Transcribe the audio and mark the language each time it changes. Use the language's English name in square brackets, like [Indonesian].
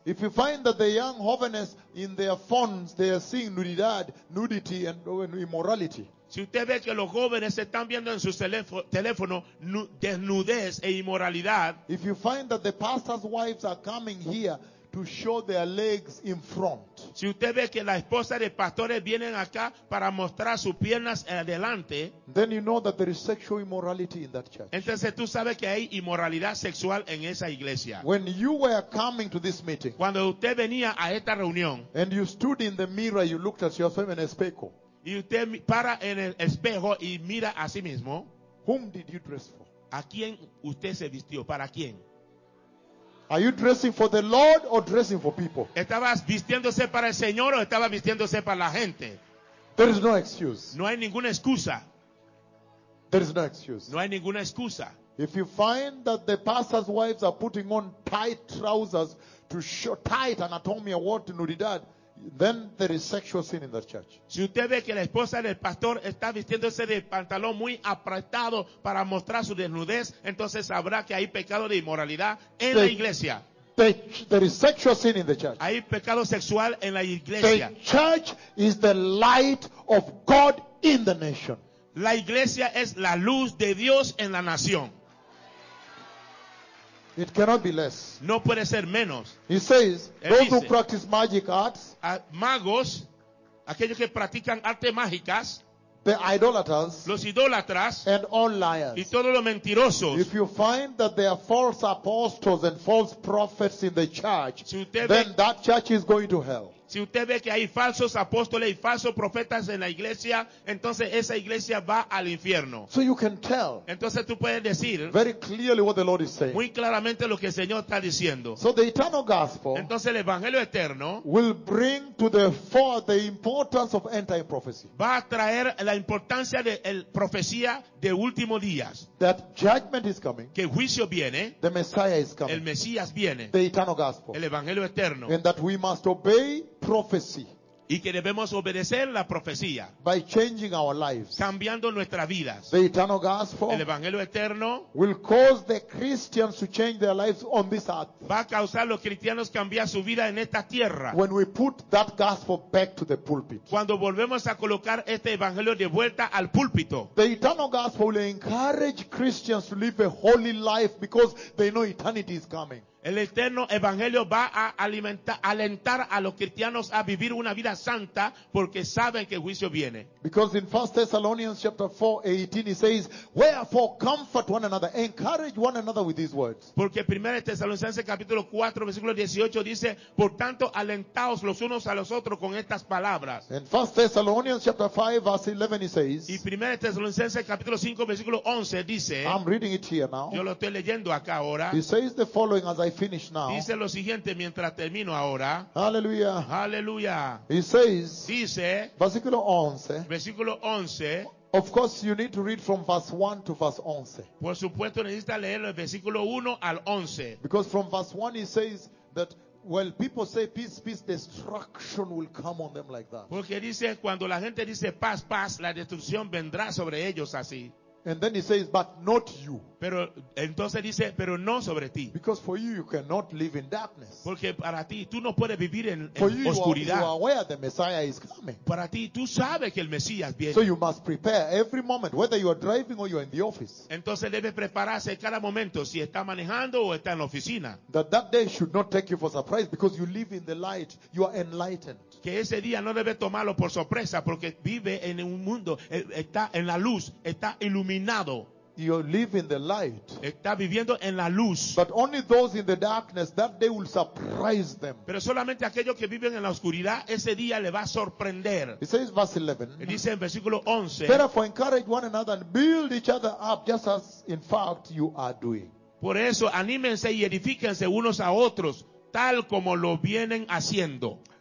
[English] if you find that the young jóvenes in their phones they are seeing nudidad, nudity and immorality, [Spanish] si usted ve que los jóvenes están viendo en su teléfono desnudez e inmoralidad, [English] if you find that the pastor's wives are coming here to show their legs in front, [Spanish] si usted ve que la esposa de pastores vienen acá para mostrar sus piernas adelante, [English] then you know that there is sexual immorality in that church. [Spanish] Entonces tú sabes que hay inmoralidad sexual en esa iglesia. [English] When you were coming to this meeting, [Spanish] cuando usted venía a esta reunión, [English] and you stood in the mirror, you looked at yourself in a espejo, [Spanish] y usted para en el espejo y mira a sí mismo, [English] whom did you dress for? [Spanish] ¿A quién usted se vistió? ¿Para quién? [English] Are you dressing for the Lord or dressing for people? [Spanish] ¿Estabas vistiéndose para el Señor o estabas vistiéndose para la gente? [English] There is no excuse. [Spanish] No hay ninguna excusa. [English] There is no excuse. [Spanish] No hay ninguna excusa. [English] If you find that the pastor's wives are putting on tight trousers to show tight anatomy or what, nudidad, then there is sexual sin in that church. [Spanish] Si usted ve que la esposa del pastor está vistiéndose de pantalón muy apretado para mostrar su desnudez, entonces sabrá que hay pecado de inmoralidad en la iglesia. [English] There is sexual sin in the church. [Spanish] Hay pecado sexual en la iglesia. [English] The church is the light of God in the nation. [Spanish] La iglesia es la luz de Dios en la nación. [English] It cannot be less. [Spanish] No puede ser menos. [English] He says, those who practice magic arts, [Spanish] magos, aquellos que practican artes mágicas, [English] the idolaters, [Spanish] los idólatras, [English] and all liars, [Spanish] y todos los mentirosos, [English] if you find that there are false apostles and false prophets in the church, [Spanish] si usted [English] then [Spanish] ve, [English] that church is going to hell. [Spanish] Si usted ve que hay falsos apóstoles y falsos profetas en la iglesia, entonces esa iglesia va al infierno. [English] So you can tell, [Spanish] entonces tú puedes decir [English] very clearly what the Lord is saying, [Spanish] muy claramente lo que el Señor está diciendo. [English] So the eternal gospel, [Spanish] entonces el evangelio eterno, [English] will bring to the fore the importance of end time prophecy, [Spanish] va a traer la importancia de la profecía de últimos días, [English] that judgment is coming, [Spanish] que juicio viene, [English] the Messiah is coming, [Spanish] el Mesías viene, [English] the eternal gospel, [Spanish] el evangelio eterno, [English] and that we must obey prophecy, [Spanish] y que debemos obedecer la profecía, [English] by changing our lives, [Spanish] cambiando nuestras vidas. [English] The eternal gospel, [Spanish] el evangelio eterno, [English] will cause the Christians to change their lives on this earth, [Spanish] va a causar los cristianos cambiar su vida en esta tierra, [English] when we put that gospel back to the pulpit, [Spanish] cuando volvemos a colocar este evangelio de vuelta al púlpito. [English] The eternal gospel will encourage Christians to live a holy life because they know eternity is coming. [Spanish] El eterno evangelio va a alentar a los cristianos a vivir una vida santa porque saben que el juicio viene. [English] Because in 1 Thessalonians chapter 4, 18, it says, wherefore comfort one another, encourage one another with these words. [Spanish] Porque 1 Tesalonicenses capítulo 4, versículo 18 dice, por tanto, alentaos los unos a los otros con estas palabras. [English] In 1 Thessalonians chapter 5, verse 11, it says, [Spanish] y 1 Tesalonicenses capítulo 5, versículo 11 dice, [English] I'm reading it here now. [Spanish] Yo lo estoy leyendo acá ahora. [English] It says the following as I finish now. [Spanish] Dice lo siguiente mientras termino ahora. Aleluya. Aleluya. [English] It says, [Spanish] dice, versículo 11, versículo 11. [English] Of course, you need to read from verse 1 to verse 11. [Spanish] Por supuesto, necesita leerlo el versículo 1 al 11. [English] Because from verse 1 it says that when people say peace, peace, destruction will come on them like that. [Spanish] Porque dice, cuando la gente dice paz, paz, la destrucción vendrá sobre ellos así. [English] And then he says, but not you. [Spanish] Pero entonces dice, pero no sobre ti. [English] Because for you, you cannot live in darkness. [Spanish] Porque para ti, tú no puedes vivir en oscuridad. [English] For you, you are aware the Messiah is coming. [Spanish] Para ti, tú sabes que el Mesías viene. [English] So you must prepare every moment, whether you are driving or you are in the office. [Spanish] Entonces debe prepararse cada momento, si está manejando o está en la oficina. [English] That day should not take you for surprise, because you live in the light, you are enlightened. [Spanish] Que ese día no debe tomarlo por sorpresa, porque vive en un mundo, está en la luz, está iluminado. [English] You live in the light. [Spanish] Está viviendo en la luz. [English] But only those in the darkness, that day will surprise them. [Spanish] Pero solamente aquellos que viven en la oscuridad, ese día le va a sorprender. [English] It says verse 11. [Spanish] Dice en versículo 11. [English] Therefore encourage one another and build each other up, just as in fact you are doing. [Spanish] Por eso, anímense y edifíquense unos a otros, tal como lo vienen haciendo.